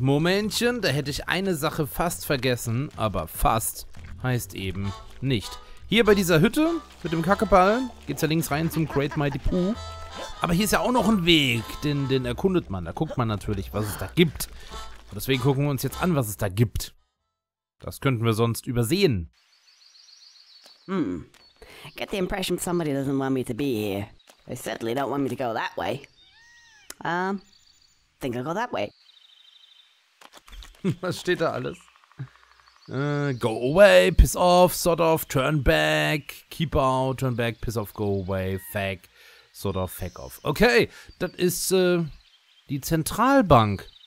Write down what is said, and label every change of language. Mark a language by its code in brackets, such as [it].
[de] Momentchen, da hätte ich eine Sache fast vergessen, aber fast heißt eben nicht. Hier bei dieser Hütte mit dem Kackeball geht's ja links rein zum Great Mighty Pooh. Aber hier ist ja auch noch ein Weg, den erkundet man. Da guckt man natürlich, was es da gibt. Und deswegen gucken wir uns jetzt an, was es da gibt. Das könnten wir sonst übersehen. [en] Get the impression somebody doesn't want me to be here. They certainly don't want me to go that way. Think I'll go that way. [de] Was steht da alles? [en] Go away, piss off, sort of, turn back, keep out, turn back, piss off, go away, fag, sort of, fag off. [de] Okay, das ist die Zentralbank.